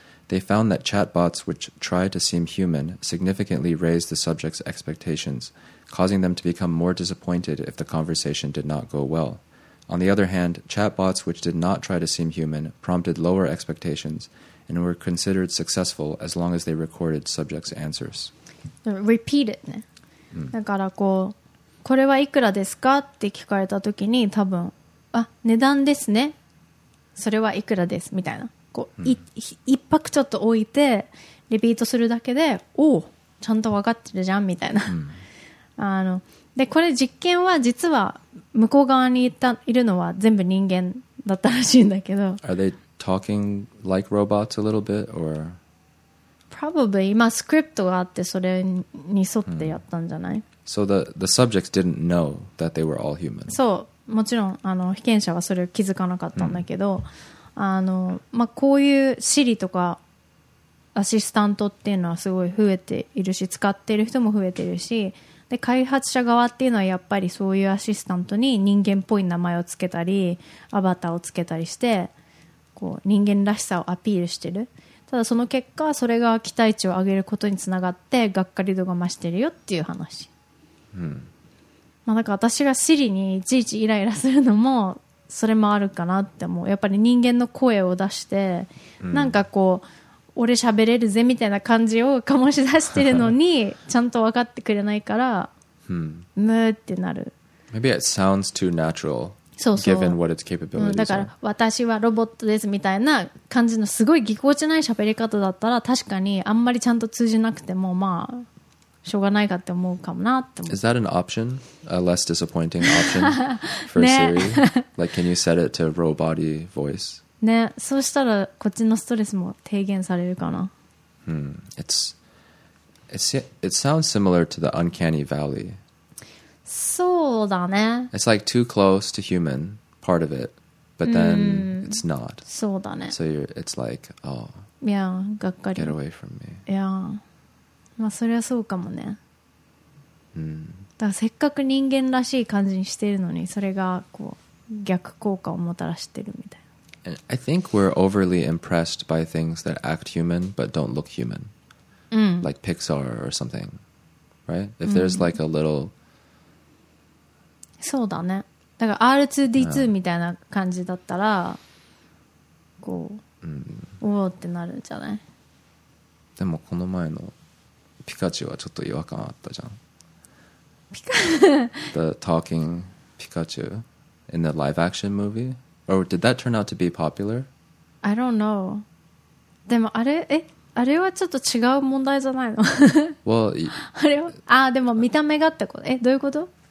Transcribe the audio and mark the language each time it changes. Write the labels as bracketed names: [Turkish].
[English] They found that chatbots which try to seem human significantly raised the subject's expectations, causing them to become more disappointed if the conversation did not go well. On the other hand, chatbots which did not try to seem human prompted lower expectations and were considered successful as long as they recorded subjects' answers. Repeated, ね。 [Japanese] だからこう、これはいくらですかって聞かれたときに、多分あ値段ですね、それはいくらですみたいな、こう、一泊ちょっと置いてリピートするだけで、おおちゃんと分かってるじゃんみたいな、でこれ実験は実は向こう側にいるのは全部人間だったらしいんだけど、 [English] Are they talking like robots a little bit or [Japanese] probably、まあ、スクリプトがあってそれに沿ってやったんじゃない、 [English] So the subjects didn't know that they were all human. [Japanese] そう、もちろん被験者はそれを気づかなかったんだけど、まあ、こういう Siri とかアシスタントっていうのはすごい増えているし、使っている人も増えているし、で開発者側っていうのはやっぱりそういうアシスタントに人間っぽい名前をつけたりアバターをつけたりして、こう人間らしさをアピールしてる。ただその結果それが期待値を上げることにつながってがっかり度が増してるよっていう話。まあ、なんか私が Siri にいちいちイライラするのもそれもあるかなって思う。やっぱり人間の声を出して、なんかこう俺喋れるぜみたいな感じを醸し出してるのにちゃんと分かってくれないから、ムーってなる。 [English] Maybe it sounds too natural. [Japanese] そうそう [English] given what its capabilities、うん、 [Japanese] だから私はロボットですみたいな感じのすごいぎこちない喋り方だったら確かにあんまりちゃんと通じなくてもまあしょうがないかって思うかもなって思う [English] Is that an option? A less disappointing option for 、ね、Siri? Like can you set it to robot voice? [Japanese] ね、そうしたらこっちのストレスも低減されるかな、 [English] hmm. It sounds similar to the Uncanny Valley. [Japanese] そうだね [English] It's like too close to human, part of it, but then it's not. [Japanese] そうだね [English] So it's like, oh, [Japanese] yeah, がっかり [English] get away from me. Yeah. [Japanese] まあ、それはそうかもね、うん、だからせっかく人間らしい感じにしてるのにそれがこう逆効果をもたらしてるみたいな [English] And I think we're overly impressed by things that act human but don't look human、 [Japanese] うん、 [English] like Pixar or something right? If there's、うん、like a little [Japanese] そうだねだから R2D2 みたいな感じだったらこう、うん、おおってなるんじゃないでもこの前のピカチュウはちょっと違和感あったじゃん。ピカ [English] The talking Pikachu in the live action movie? Or did that turn out to be popular? I don't know. [Japanese] でもあれ、え、あれはちょっと違う問題じゃないの [English] Well, [Japanese] あれは、あ、でも見た目がってこと。え、どういうこと